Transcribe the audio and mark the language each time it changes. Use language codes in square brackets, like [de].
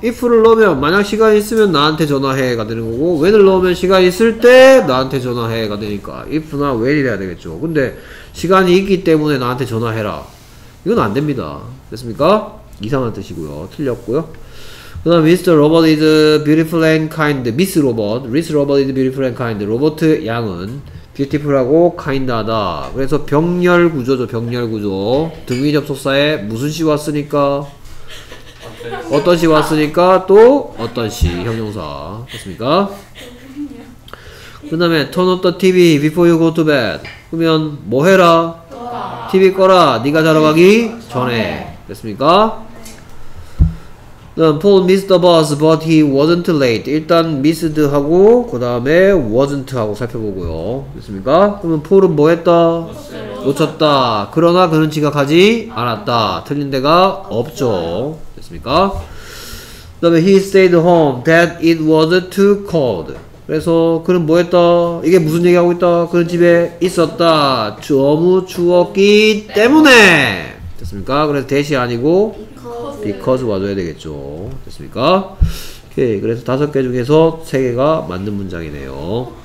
[ko] if를 넣으면 만약 시간이 있으면 나한테 전화해가 되는 거고 when을 넣으면 시간이 있을 때 나한테 전화해가 되니까 if나 when이래야 되겠죠. 근데 시간이 있기 때문에 나한테 전화해라. 이건 안 됩니다. 됐습니까? 이상한 뜻이고요. 틀렸고요. 그 다음 Mr. [en] Robert is beautiful and kind. Miss Robert. Miss Robert is beautiful and kind. [ko] 로버트 양은 beautiful하고 kind하다. 그래서 병렬 구조죠, 병렬 구조. 네. 등위 접속사에 무슨 시 왔으니까? 어떤 시 왔으니까 또 어떤 시 형용사. 그렇습니까? 그 다음에 [en] turn off the TV before you go to bed. [ko] 그러면 뭐 해라? 꺼라. TV 꺼라. 네가 자러 가기 전에. 됐습니까? 그 다음 [en] Paul missed the bus but he wasn't late. [ko] 일단 missed 하고 그 다음에 wasn't 하고 살펴보고요. 됐습니까? 그러면 Paul은 뭐 했다? 놓쳤다. 그러나 그는 지각하지 않았다. 틀린 데가 없죠. 됐습니까? 그 다음에 [en] he stayed home that it was too cold. [ko] 그래서 그는 뭐 했다? 이게 무슨 얘기하고 있다? 그는 집에 있었다. 너무 추웠기 때문에. 됐습니까? 그래서 that이 아니고 because 와줘야 되겠죠. 됐습니까? 오케이. 그래서 다섯 개 중에서 세 개가 맞는 문장이네요.